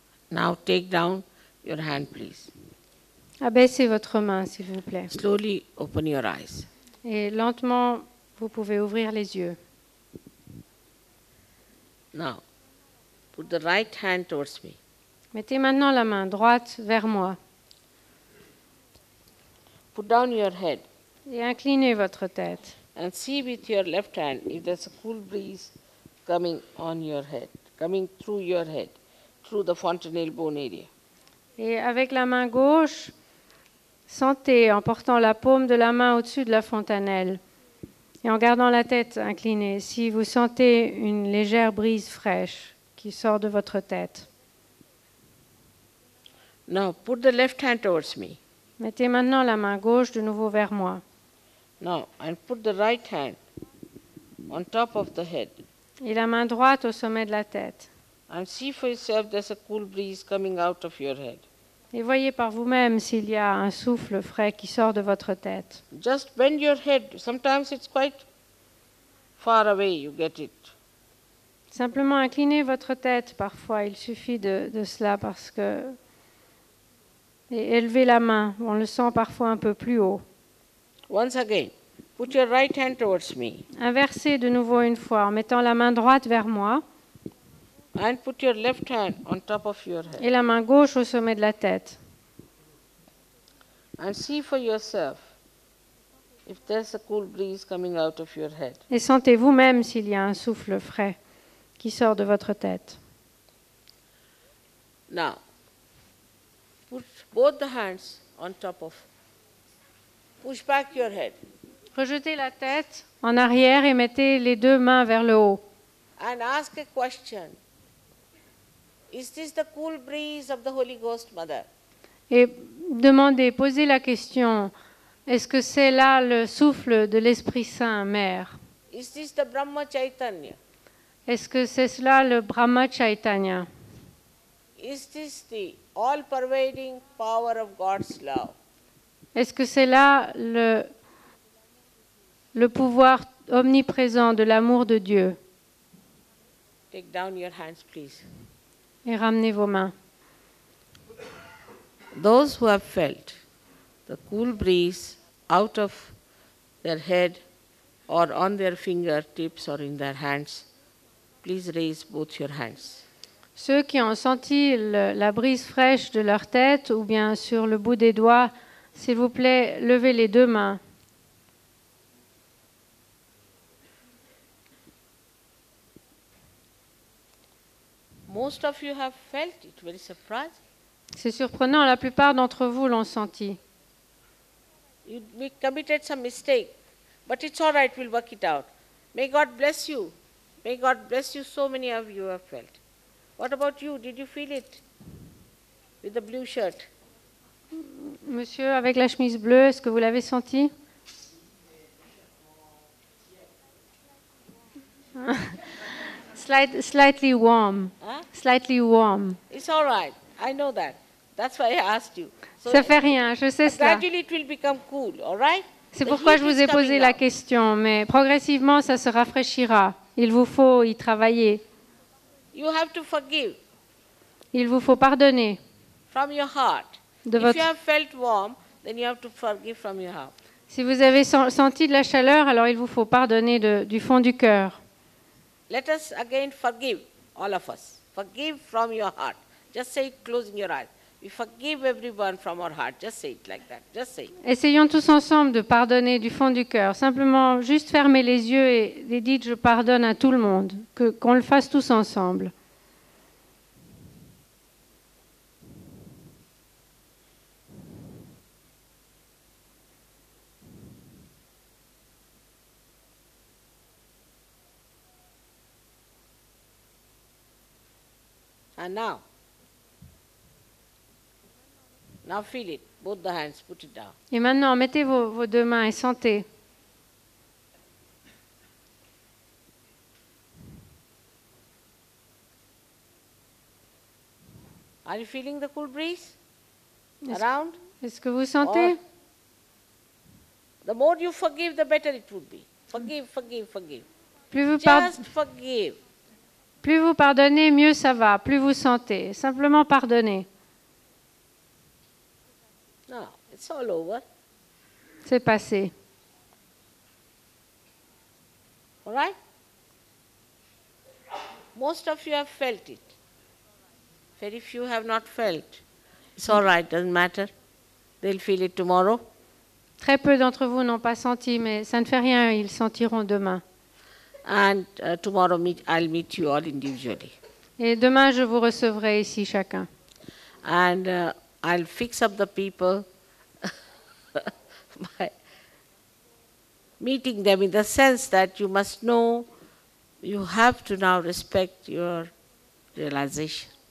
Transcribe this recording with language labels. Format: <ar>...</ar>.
<en>Now take down your hand, please.</en> <fr>Abaissez votre main, s'il vous plaît.</fr> <en>Slowly open your eyes.</en> <fr>Et lentement, vous pouvez ouvrir les yeux.</fr> <en>Now, put the right hand towards me.</en> <fr>Mettez maintenant la main droite vers moi.</fr> <en>Put down your head.</en> <fr>Et inclinez votre tête.</fr> <en>And see with your left hand if there's a cool breeze coming on your head, coming through your head, through the fontanelle bone area.</en> <fr>Et avec la main gauche, sentez en portant la paume de la main au-dessus de la fontanelle et en gardant la tête inclinée si vous sentez une légère brise fraîche qui sort de votre tête.</fr> <en>Now, put the left hand towards me.</en> <fr>Mettez maintenant la main gauche de nouveau vers moi.</fr> <en>Now, and put the right hand on top of the head.</en> <fr>Et la main droite au sommet de la tête.</fr> <en>And see for yourself there's a cool breeze coming out of your head.</en> <fr>Et voyez par vous-même s'il y a un souffle frais qui sort de votre tête.</fr> <en>Just bend your head. Sometimes it's quite far away, you get it.</en> <fr>Simplement inclinez votre tête. Parfois, il suffit de cela parce que... Et élevez la main. On le sent parfois un peu plus haut.</fr> <en>Once again, put your right hand towards me.</en> <fr>Inversez de nouveau une fois en mettant la main droite vers moi.</fr> <en>And put your left hand on top of your head.</en> <fr>Et la main gauche au sommet de la tête.</fr> <en>And see for yourself if there's a cool breeze coming out of your head.</en> <fr>Et sentez vous-même s'il y a un souffle frais qui sort de votre tête.</fr> <en>Now, put both the hands on top of. Push back your head.</en> <fr>Rejetez la tête en arrière et mettez les deux mains vers le haut.</fr> <en>And ask a question. Is this the cool breeze of the Holy Ghost Mother?</en> <fr>Et demandez, posez la question. Est-ce que c'est là le souffle de l'Esprit Saint Mère?</fr> <en>Is this the Brahma Chaitanya?</en> <fr>Est-ce que c'est cela le Brahma Chaitanya?</fr> <en>Is this the all-pervading power of God's love?</en> <fr>Est-ce que c'est là le pouvoir omniprésent de l'amour de Dieu?</fr> <en>Take down your hands, please.</en> <fr>Et ramenez vos mains.</fr> <en>Those who have felt the cool breeze out of their head or on their fingertips or in their hands, please raise both your hands.</en> <fr>Ceux qui ont senti la brise fraîche de leur tête ou bien sur le bout des doigts, s'il vous plaît, levez les deux mains.</fr> <en>Most of you have felt it. Very surprised.</en> <fr>C'est surprenant. La plupart d'entre vous l'ont senti.</fr> <en>We committed some mistake, but it's all right. We'll work it out. May God bless you. May God bless you. So many of you have felt. What about you? Did you feel it with the blue shirt?</en> <fr>Monsieur, avec la chemise bleue, est-ce que vous l'avez senti?</fr> <en>Slightly warm. Hein? Slightly warm. It's all right. I know that. That's why I asked you.</en> <fr>So ça fait rien. Je sais cela.</fr> <en>Gradually it will become cool. All right?</en> <fr>C'est pourquoi je vous ai posé la question. Mais progressivement, ça se rafraîchira. Il vous faut y travailler.</fr> <en>You have to forgive.</en> <fr>Il vous faut pardonner.</fr> <en>From your heart. If you have felt warm, then you have to forgive from your heart.</en> <fr>Si vous avez senti de la chaleur, alors il vous faut pardonner du fond du cœur.</fr> <en>Let us again forgive, all of us. Forgive from your heart. Just say it, closing your eyes. We forgive everyone from our heart. Just say it like that. Just say it.</en> <fr>Essayons tous ensemble de pardonner du fond du cœur. Simplement, juste fermez les yeux et dites je pardonne à tout le monde. Qu'on le fasse tous ensemble.</fr> <en>And now feel it. Both the hands, put it down.</en> <fr>Et maintenant, mettez vos deux mains et sentez.</fr> <en>Are you feeling the cool breeze around?</en> <fr>Est-ce que vous sentez?</fr> <en>Or the more you forgive, the better it would be. Forgive, forgive, forgive.</en> <fr>Plus vous</fr> <en>just forgive.</en> <fr>Plus vous pardonnez, mieux ça va. Plus vous sentez. Simplement pardonnez.</fr> <en>No, it's all over.</en> <fr>C'est passé.</fr> <en>All right? Most of you have felt it. Very few have not felt. It's all right, doesn't matter. They'll feel it tomorrow.</en> <fr>Très peu d'entre vous n'ont pas senti, mais ça ne fait rien, ils sentiront demain.</fr> <en>And tomorrow I'll meet you all individually.</en> <fr>Et demain je vous recevrai ici chacun.</fr> <en>And I'll fix up the people by meeting them in the sense that you must know you have to now respect your realization.</en>